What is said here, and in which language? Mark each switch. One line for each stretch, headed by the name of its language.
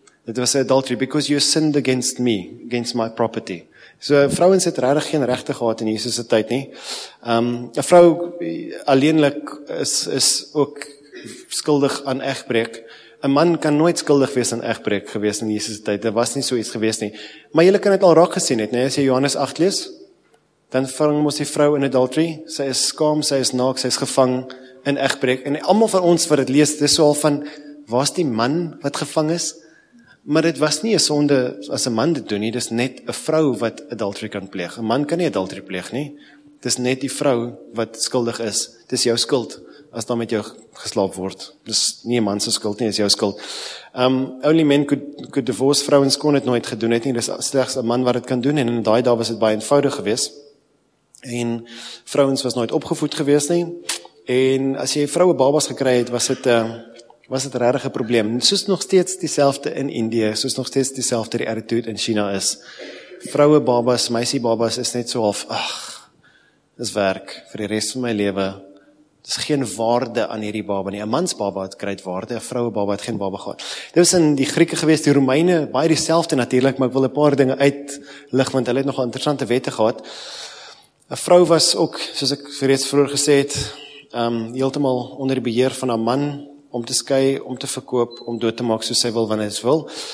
Afrikaans: Dit was
English: adultery, because you sinned against me, against my property.
Afrikaans: So, vrouens het regtig geen regte gehad in Jesus se tyd nie. 'N vrou alleenlik is ook skuldig aan egbreek. 'N man kan nooit skuldig wees aan egbreek gewees in Jesus se tyd. Daar was nie so iets gewees nie. Maar julle kan dit al raak gesien het, nee, as jy Johannes 8 lees, dan vang mos die vrou in adultery. Sy is skaam, sy is naak, sy is gevang in egbreek. En almal van ons wat dit lees, dis so al van, waar's die man wat gevang is? Maar dit was nie 'n sonde as 'n man dit doen nie, dis net 'n vrou wat adultery kan pleeg. 'N man kan nie adultery pleeg nie. Dis net die vrou wat skuldig is. Dis jou skuld as daar met jou geslaap word. Dis nie 'n man se skuld nie, dis jou skuld.
English: Only men could divorce,
Afrikaans: vrouens kon dit nooit gedoen het nie. Dis slegs 'n man wat dit kan doen, en in daai dae was dit baie eenvoudig geweest. En vrouens was nooit opgevoed geweest nie. En as jy vroue babas gekry het, was dit regtig 'n probleem. Soos nog steeds dieselfde in Indië, soos nog steeds dieselfde die attitude in China is. Vroue babas, meisie babas is net so half, ag, dis werk vir die res van my lewe. Dis geen waarde aan hierdie baba nie. 'N Mans baba het kryd waarde, 'n vroue baba het geen baba gehad. Dit was in die Grieke gewees, die Romeine, baie dieselfde natuurlik, maar ek wil 'n paar dinge uitlig, want hulle het nogal interessante wette gehad. 'N Vrou was ook, soos ek reeds vroeër gesê het, heeltemal onder die beheer van 'n man, om te skei, om te verkoop, om dood te maak soos sy wil, wanneer sy wil.